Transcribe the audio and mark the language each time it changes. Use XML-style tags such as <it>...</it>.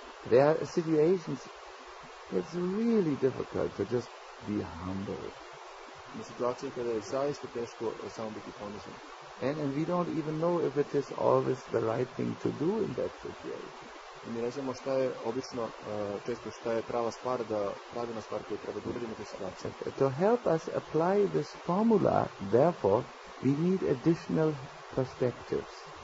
<en>There are situations where it's really difficult to just be humble. In a situation where it's very difficult to be humble. And we don't even know if it is always the right thing to do in that situation.</en> <sr>Mi ne znamo šta je obično, često šta je prava stvar, da pravilna stvar koju treba da uradimo u toj situaciji.</sr> <en>To help us apply this formula, therefore, we need additional perspectives.</en>